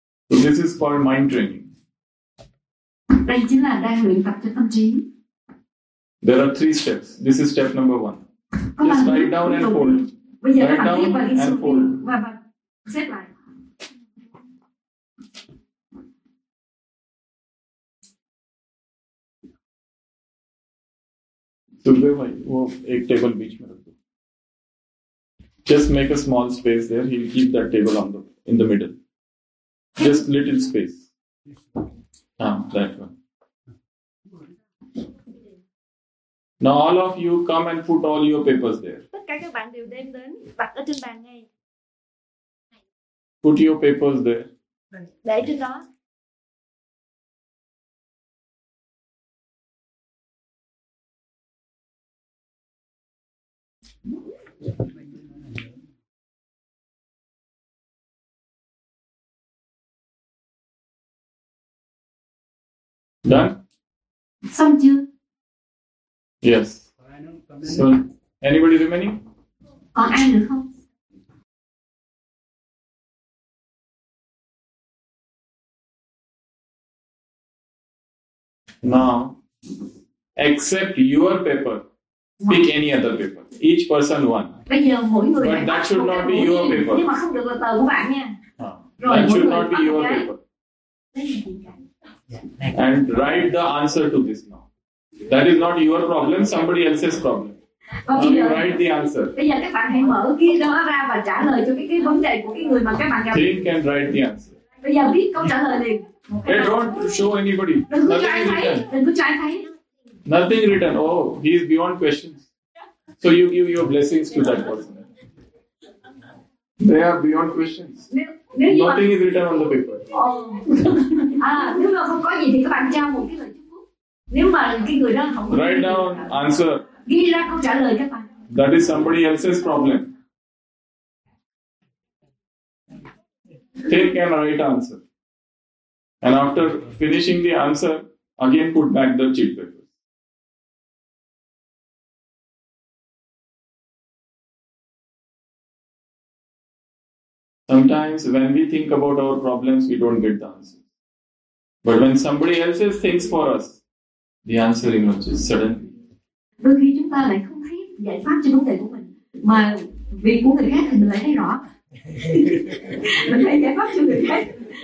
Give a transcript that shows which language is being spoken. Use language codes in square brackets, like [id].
[en] So this is for mind training. [vi] Đây chính là đang luyện tập cho tâm trí. [en] There are three steps. This is step number one. [vi] Có [en] just write down and fold. [vi] Bây giờ [en] write [vi] các bạn [en] down and fold. [vi] Xếp lại. [hi] So, एक table बीच में रख दो. [en] Just make a small space there. He'll keep that table on the in the middle. Just little space. That one. Now all of you come and put all your papers there. [vi] Tất cả các bạn đều đem đến đặt ở trên bàn ngay. [en] Put your papers there. [vi] Để trên đó. [en] Done? [vi] Xong chưa? [en] Yes. So, anybody remaining? [vi] Còn ai nữa không? [en] Now, except your paper, pick any other paper. Each person one. [vi] Bây giờ mỗi người [en] but that should not be your paper. [vi] Nhưng mà không được là tờ của bạn nha. [en] That should not be your paper. And write the answer to this now. That is not your problem, somebody else's problem. [vi] Bây giờ, [en] write the answer. [vi] Bây giờ các bạn hãy mở cái đó ra và trả lời cho cái vấn đề của cái người mà các bạn gặp. [en] Think and write the answer. [vi] Bây giờ viết câu trả lời liền. [en] Hey, don't show anybody. Nothing written. Oh, he is beyond questions. So you give your blessings to that person. They are beyond questions. Nothing is written on the paper. Write down answer. That is somebody else's problem. Take and write answer. And after finishing the answer, again put back the cheat paper. Sometimes when we think about our problems, we don't get the answer. But when somebody else thinks for us, the answer emerges suddenly. [vi] Đôi khi chúng ta lại không thấy giải pháp cho vấn đề của mình, mà việc của người khác thì mình lại thấy rõ. Mình thấy giải pháp cho người khác.